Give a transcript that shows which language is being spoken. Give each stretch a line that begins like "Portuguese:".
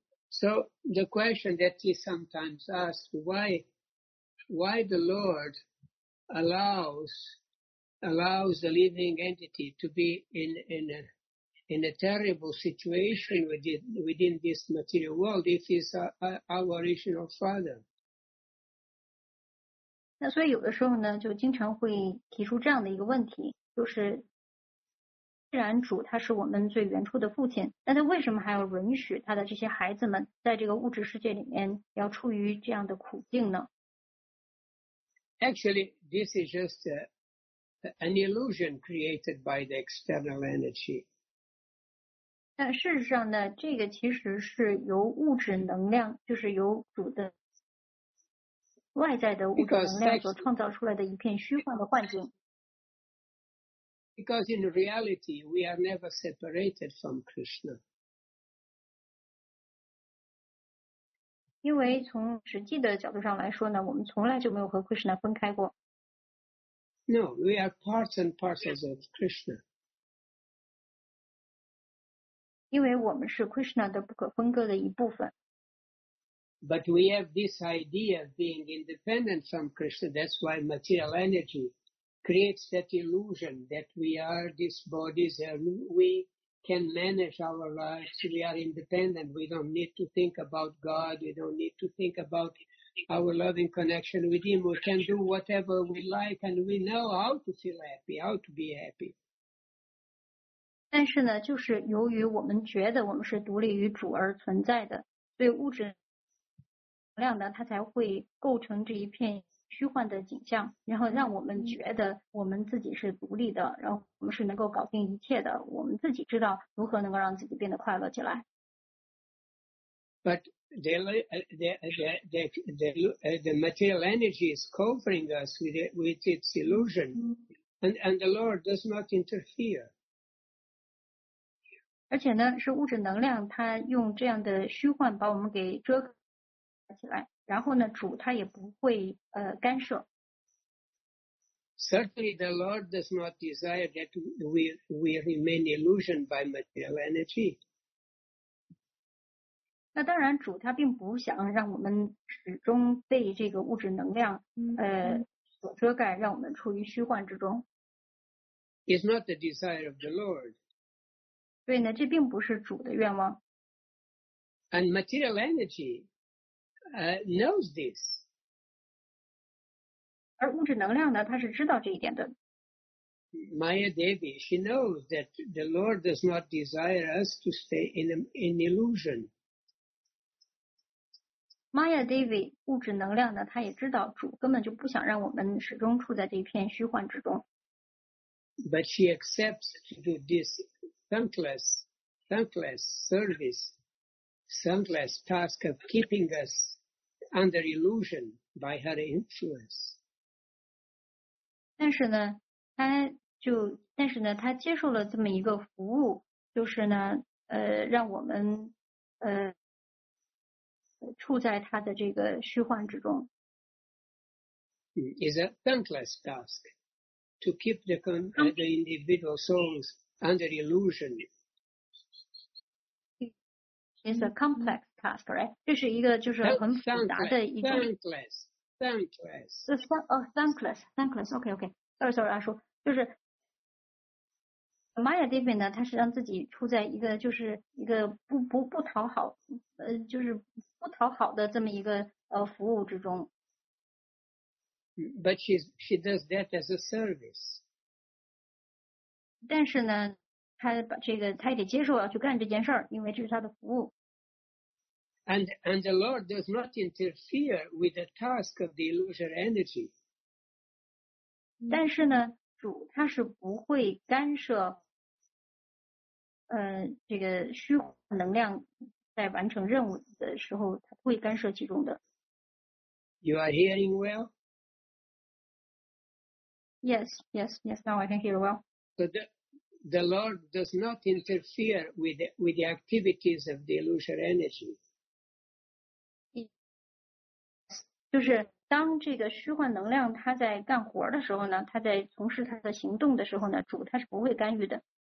English: So the question that he sometimes asks, why the Lord allows the living entity to be in a terrible situation within this material world if he's our original father?
Chinese: 那所以有的时候呢就经常会提出这样的一个问题就是既然主他是我们最原初的父亲那他为什么还要允许他的这些孩子们在这个物质世界里面要处于这样的苦境呢
English: Actually, this is just an illusion created by the external energy.
Chinese: 但事实上呢这个其实是由物质能量就是由主的外在的物质能量所创造出来的一片虚幻的幻境。
English: Because in reality, we are never separated from Krishna.
Chinese: 因为从实际的角度上来说呢，我们从来就没有和 Krishna 分开过。
English: No, we are parts and parcels of Krishna.
Chinese: 因为我们是 Krishna 的不可分割的一部分。
English: But we have this idea of being independent from Krishna. That's why material energy creates that illusion that we are these bodies and we can manage our lives. We are independent. We don't need to think about God. We don't need to think about our loving connection with Him. We can do whatever we like and we know how to feel happy, how to be happy.
Chinese: 但是呢，就是由于我们觉得我们是独立于主而存在的。对物质能量的，它才会构成这一片虚幻的景象，然后让我们觉得我们自己是独立的，然后我们是能够搞定一切的，我们自己知道如何能够让自己变得快乐起来。
English: But the material energy is covering us with its illusion, and the Lord does not interfere.
Chinese: 而且呢，是物质能量，它用这样的虚幻把我们给遮起来。然后呢，主他也不会干涉。
English: Certainly, the Lord does not desire that we remain illusioned by material energy.
Chinese: 那当然，主他并不想让我们始终被这个物质能量所遮盖，让我们处于虚幻之中。
English: It's not the desire of the Lord.
Chinese: 对呢，这并不是主的愿望。
English: And material energy. Knows this.
Chinese: 而物质能量呢，他是知道这一点的。
English: Maya Devi, she knows that the Lord does not desire us to stay in illusion.
Chinese: Maya Devi, 物质能量呢，他也知道主根本就不想让我们始终处在这一片虚幻之中。
English: But she accepts to do this thankless service. Thankless task of keeping us under illusion by her influence.
Chinese: 但是呢，他接受了这么一个服务，就是呢，让我们处在他的这个虚幻之中。
English: It's a thankless task to keep the individual souls under illusion. It's a complex task, right?
Chinese: 这是一个就是很复杂的一个。
English: Thankless. Okay. Sorry,
Chinese: 阿叔，就是 Maya Devi 呢，他是让自己处在一个就是一个不讨好，就是不讨好的这么一个服务之中。
English: But she does that as a service.
Chinese: 但是呢，他把这个他也得接受要去干这件事儿，因为这是他的服务。
English: And the Lord does not interfere with the task of the illusory energy.
Chinese: 但是呢，主他是不会干涉，这个虚幻能量在完成任务的时候，他不会干涉其中的。
English: You are hearing well? Yes. Now I can hear well. So the Lord does not interfere with the activities of the illusory energy.
Chinese: 就是当这个虚幻能量它在干活的时候呢，它在从事它的行动的时候呢，主它是不会干预的。